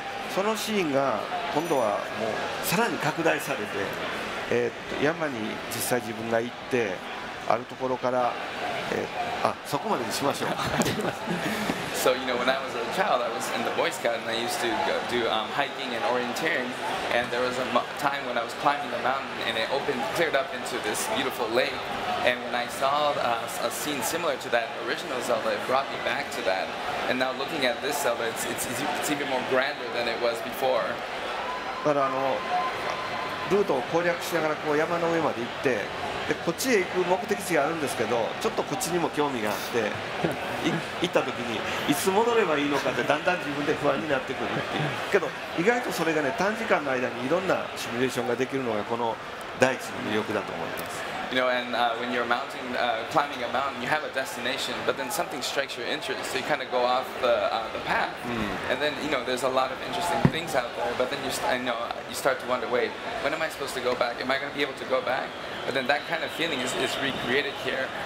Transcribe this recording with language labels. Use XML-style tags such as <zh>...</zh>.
<ja>でそのシーンが今度はもうさらに拡大されて、山に実際自分が行ってあるところから、そこまでにしましょう。</ja> <en>So, you know, when I was a child, I was in the Boy Scout and I used to do hiking and orienteering. And there was a time when I was climbing the mountain and it opened, cleared up into this beautiful lake. And when I saw a scene similar to that original Zelda, it brought me back to that. And now looking at this Zelda, it's even more grander than it was before.</en> <ja>But, ルートを攻略しながらこう山の上まで行って、でこっちへ行く目的地があるんですけど、ちょっとこっちにも興味があって行った時にいつ戻ればいいのかってだんだん自分で不安になってくるっていう。けど意外とそれがね、短時間の間にいろんなシミュレーションができるのがこの大地の魅力だと思います。</ja> <en>You know, and when you're mountain, climbing a mountain, you have a destination, but then something strikes your interest, so you kind of go off the path. Mm. And then, you know, there's a lot of interesting things out there, but then you start to wonder, wait, when am I supposed to go back? Am I going to be able to go back? But then that kind of feeling is recreated here.</en>